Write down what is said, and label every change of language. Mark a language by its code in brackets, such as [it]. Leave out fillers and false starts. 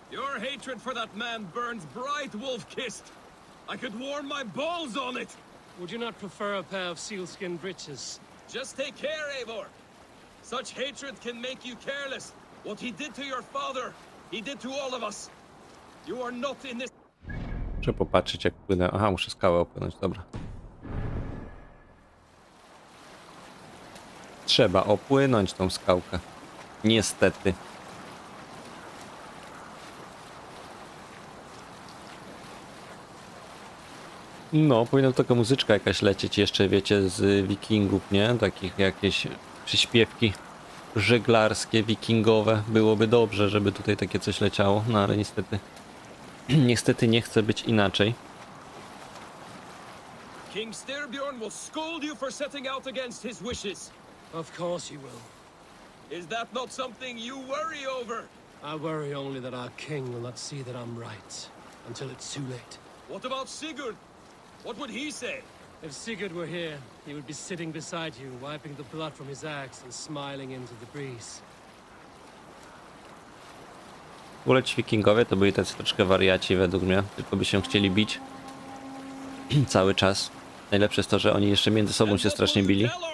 [en] Your hatred for that man burns bright, Wolfkist. I could warm my balls on it. Would you not prefer a pair of sealskin breeches? Just take care, Eivor. Such hatred can make you careless. What he did to your father, he did to all of us. You are not in this. [pl] Muszę popatrzeć, jak płynę. Aha, muszę skałę opłynąć, dobra. Trzeba opłynąć tą skałkę. Niestety. No, powinna tylko muzyczka jakaś lecieć jeszcze, wiecie, z wikingów, nie? Takich jakieś przyśpiewki żeglarskie, wikingowe. Byłoby dobrze, żeby tutaj takie coś leciało, no ale niestety. Niestety nie chce być inaczej. [en] King Styrbjorn will scold you for setting out against his wishes. Of course he will. Is that not something you worry over? I worry only that our king will not see that I'm right until it's too late. What about Sigurd? What would he say? If Sigurd were here, he would be sitting beside you, wiping the blood from his axe and smiling into the breeze. [pl] W ogóle ci wikingowie to byli tacy troszkę wariaci według mnie, tylko by się chcieli bić cały czas. Najlepsze jest to, że oni jeszcze między sobą się strasznie bili.